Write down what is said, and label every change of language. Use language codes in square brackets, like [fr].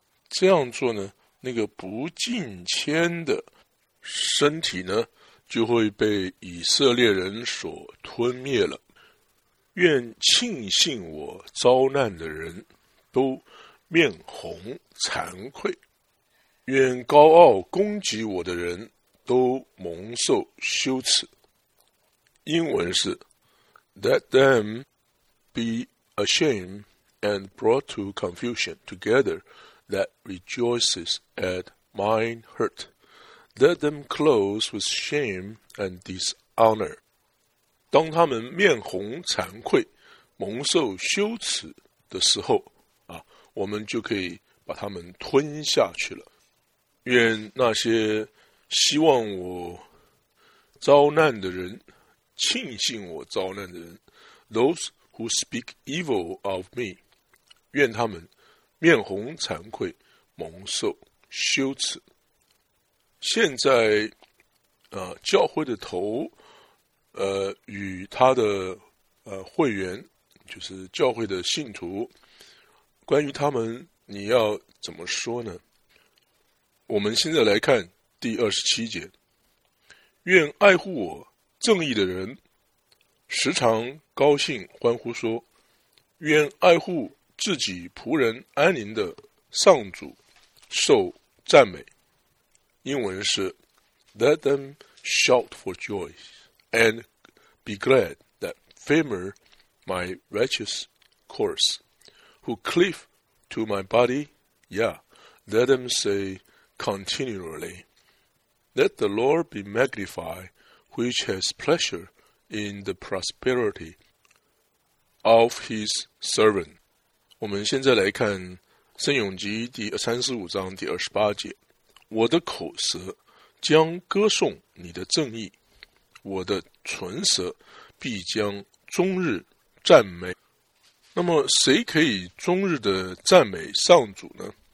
[zh] 这样做呢，那个不敬虔的身体呢，就会被以色列人所吞灭了。愿庆幸我遭难的人都面红惭愧，愿高傲攻击我的人都蒙受羞耻。英文是 [en] Let them be ashamed and brought to confusion together that rejoices at mine hurt. Let them close with shame and dishonor. [zh] 当他们面红惭愧蒙受羞耻的时候啊，我们就可以把他们吞下去了。愿那些希望我遭难的人庆幸我遭难的人， [en] Those who speak evil of me， [zh] 愿他们面红惭愧蒙受羞耻。现在教会的头与他的会员，就是教会的信徒，关于他们你要怎么说呢？我们现在来看第27节，愿爱护我正义的人时常高兴欢呼说，愿爱护自己仆人安宁的上主受赞美。英文是 [en] Let them shout for joy and be glad that favor my righteous course who cleave to my body. Yeah, let them say continually, Let the Lord be magnified which has pleasure in the prosperity of his servant. [zh] 我们现在来看聖咏集第35章第28节，我的口舌将歌颂你的正义，我的唇舌必将终日赞美。那么谁可以终日的赞美上主呢？